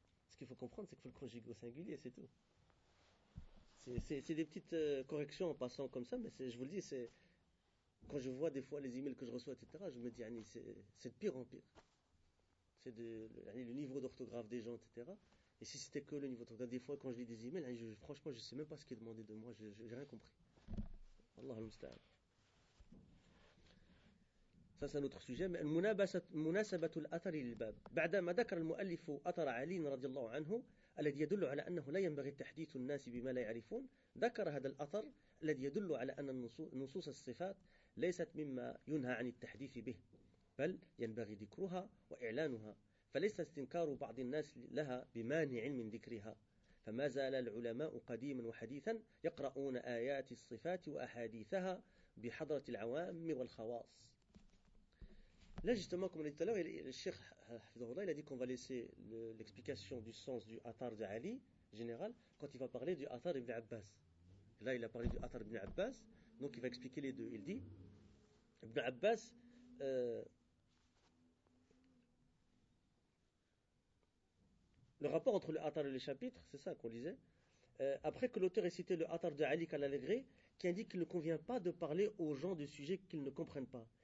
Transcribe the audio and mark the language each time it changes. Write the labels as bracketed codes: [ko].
[fr] Ce qu'il faut comprendre, c'est qu'il faut le conjuguer au singulier, c'est tout. C'est des petites corrections en passant comme ça, mais je vous le dis, c'est quand je vois des fois les emails que je reçois, etc., je me dis, Annie, c'est de pire en pire. C'est le niveau d'orthographe des gens, etc. Et si c'était que le niveau d'orthographe, des fois quand je lis des emails, franchement, je ne sais même pas ce qui est demandé de moi, je n'ai rien compris. [ar] Allah al-Musta'an. [fr] Ça, c'est un autre sujet. Mais [ar] المناسبه الاثر للباب بعدما ذكر المؤلف اثر علي رضي الله عنه الذي يدل على انه لا ينبغي تحديث الناس بما لا يعرفون ذكر هذا الاثر الذي يدل على ان نصوص الصفات ليست مما ينهى عن التحديث به بل ينبغي ذكرها واعلانها فليس استنكار بعض الناس لها بمانع من ذكرها فما زال العلماء قديما وحديثا يقرؤون ايات الصفات واحاديثها بحضره العوام والخواص. [fr] Là, justement, comme on l'a dit tout à l'heure, le cheikh Hafidhullah, il a dit qu'on va laisser l'explication du sens du athar d'Ali, général, quand il va parler du athar ibn Abbas. Là, il a parlé du athar ibn Abbas, donc il va expliquer les deux. Il dit, ibn Abbas, le rapport entre le athar et le chapitre, c'est ça qu'on lisait, après que l'auteur ait cité le athar d'Ali Kalalegré, qui indique qu'il ne convient pas de parler aux gens de sujets qu'ils ne comprennent pas.